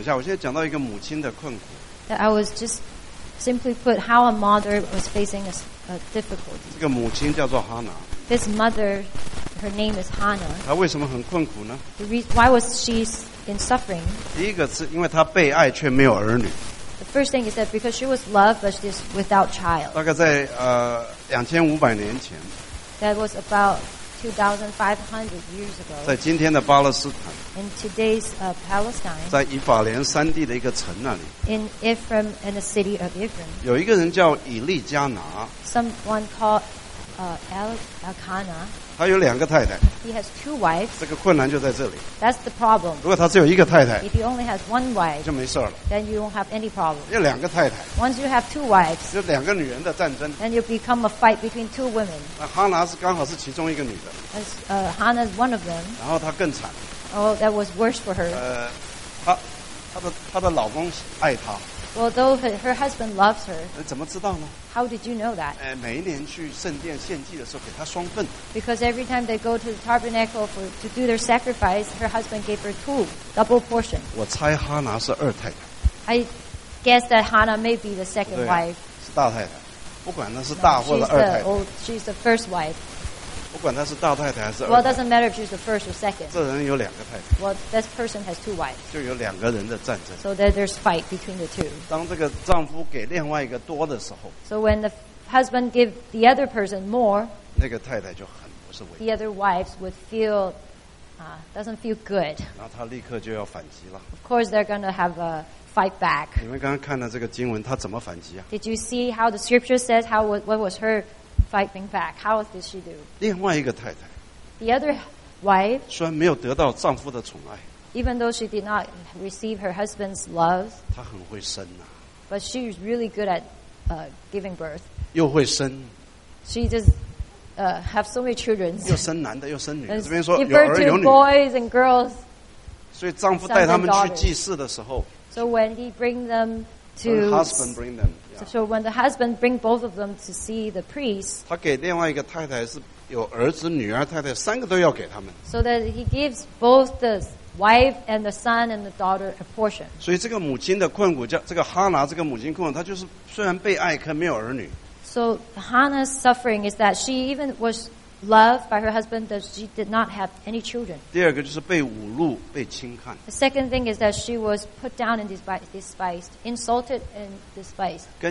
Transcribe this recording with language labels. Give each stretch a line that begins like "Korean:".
Chinese: 我简单跟大家讲一下，我现在讲到一个母亲的困苦。That
English: I was just simply put how a mother was facing a difficulty.
Chinese: 这个母亲叫做 Hannah.
English: This mother, her name is Hannah.
Chinese: 她为什么很困苦呢？
English: Why was she in suffering?
Chinese: 第一个是因为她被爱却没有儿女。
English: The first thing is that because she was loved, but she is without child.
Chinese: 大概在 2500年前。
English: That was about 2,500 years ago.
Chinese: 在今天的巴勒斯坦,
English: in today's Palestine.
Chinese: 在以法莲山地的一个城那里,
English: in Ephraim, in the city of Ephraim.
Chinese: 有一个人叫以利加拿,
English: someone called Elkanah.
Chinese: 他有两个太太,
English: he has two wives.
Chinese: 这个困难就在这里,
English: that's the problem.
Chinese: 如果他只有一个太太,
English: if he only has one wife,
Chinese: 就没事了,
English: then you won't have any problem.
Chinese: 有两个太太,
English: once you have two wives,
Chinese: 有两个女人的战争,
English: then you become a fight between two women.
Chinese: Hannah是刚好是其中一个女的,
English: Hannah is one of them.
Chinese: 然后她更惨,
English: oh, that was worse for her.
Chinese: 她的老公爱她,
English: well, though her husband loves her,
Chinese: 怎么知道呢?
English: How did you know that?
Chinese: 每一年去圣殿献祭的时候给她双份,
English: because every time they go to the tabernacle to do their sacrifice, her husband gave her two, double portion.
Chinese: 我猜哈娜是二太太,
English: I guess that Hannah may be the second wife.
Chinese: 是大太太, 不管她是大或者二太太,
English: no, she's the first wife.
Chinese: 不管她是大太太还是二太太,
English: well, it doesn't matter if she's the first or second.
Chinese: 这人有两个太太,
English: well, this person has two wives.
Chinese: 就有两个人的战争,
English: so that there's fight between the two.
Chinese: 当这个丈夫给另外一个多的时候,
English: so when the husband gives the other person more,
Chinese: 那个太太就很不是为,
English: the other wives would feel doesn't feel good.
Chinese: 然后她立刻就要反击了,
English: of course they're going to have a fight back.
Chinese: 你们刚刚看了这个经文, 她怎么反击啊?
English: Did you see how the scripture says how, what was her fighting back? How did she do?
Chinese: 另外一个太太,
English: the other wife,
Chinese: 虽然没有得到丈夫的宠爱,
English: even though she did not receive her husband's love,
Chinese: 她很会生啊,
English: but she was really good at giving birth.
Chinese: 又会生,
English: she just have so many children.
Chinese: 又生男的又生女,
English: and
Chinese: 这边说,
English: give birth to boys and girls.
Chinese: 所以丈夫带他们去祭祀的时候,
English: so when he bring them to, when husband bring them, so when the husband bring both of them to see the priest, so that he gives both the wife and the son and the daughter a portion.
Chinese: 所以这个母亲的困苦，这个哈拿这个母亲困苦，她就是虽然被爱，可没有儿女。
English: So Hannah's suffering is that she even was loved by her husband, that she did not have any children.
Chinese: 第二个就是被侮辱，被轻看。
English: The second thing is that she was put down and despised, insulted and despised.